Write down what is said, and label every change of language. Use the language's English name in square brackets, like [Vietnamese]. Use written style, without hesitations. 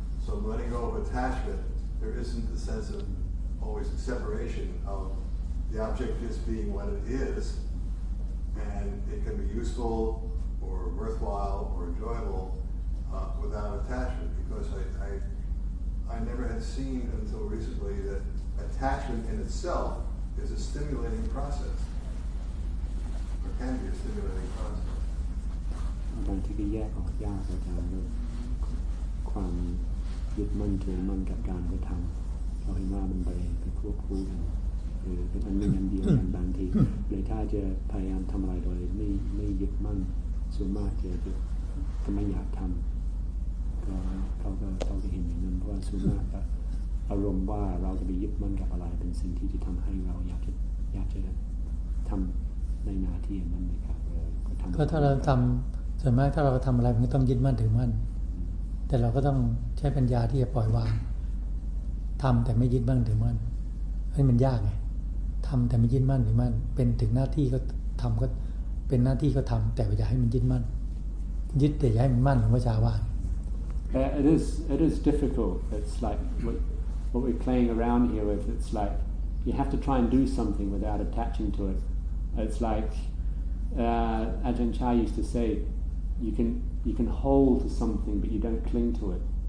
[English] So letting go of attachment, there isn't the sense of always a separation of the object just being what it is, and it can be useful or worthwhile or enjoyable without attachment, because I never had seen until recently that attachment in itself is a stimulating process, or can be a stimulating process. [Thai] บางทีก็แยกออกยากอาจารย์ด้วยความยึดมั่นถือมั่นกับการกระทำเราเห็นว่ามันไปควบคู่กันหรือเป็นอันหนึ่งอันเดียวกันบางทีเลยถ้าจะพยายามทำอะไรโดยไม่ยึดมั่นส่วนมากจะไม่อยากทำก็เขาก็เห็นอย่างนั้นเพราะว่าส่วนมากอารมณ์ว่าเราจะไปยึดมั่นกับอะไรเป็นสิ่งที่ทำให้เราอยากจะทำในนาทีนั้นไหมครับ ก็ทำก็ถ้าเราทำส่วนมากถ้าเราทำอะไรมันก็ต้องยึดมั่นถือมั่นแต่เราก็ต้องใช้ปัญญาที่จะปล่อยวางทำแต่ไม่ยึดมั่นถือมั่นเฮ้ยมันยากไงทำแต่ไม่ยึดมั่นถือมั่นเป็นถึงหน้าที่ก็ทำก็เป็นหน้าที่ก็ทำแต่อย่าให้มันยึดมั่นยึดแต่อย่าให้มันมั่นหลวงพ่อชาว่า [English] it is difficult. It's like what we're playing around here with. It's like you have to try and do something without attaching to it. It's like Ajahn Chah used to say. You can hold to something, but you don't cling to it.